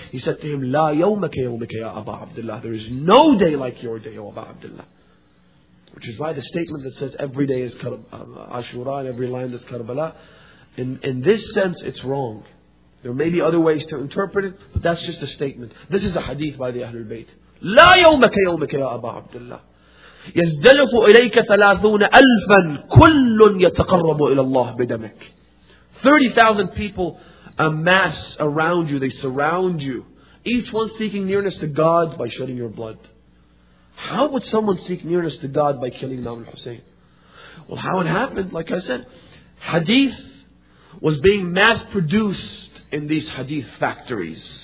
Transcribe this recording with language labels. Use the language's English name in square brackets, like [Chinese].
[English] He said to him, [Arabic] La yawmaka yawmaka ya Abu Abdullah. [English] There is no day like your day, O Abu Abdullah. Which is why the statement that says every day is Ashura and every land is Karbala. In this sense, it's wrong. There may be other ways to interpret it, but that's just a statement. This is a hadith by the Ahlul Bayt. [Arabic] لا يومك يومك يا أبا عبد الله. يزدلف إليك 30,000 كل يتقرب إلى الله بدمك. [English] 30,000 people amass around you. They surround you. Each one seeking nearness to God by shedding your blood. How would someone seek nearness to God by killing Imam al-Hussein? Well, how it happened, like I said, hadith was being mass produced in these hadith factories.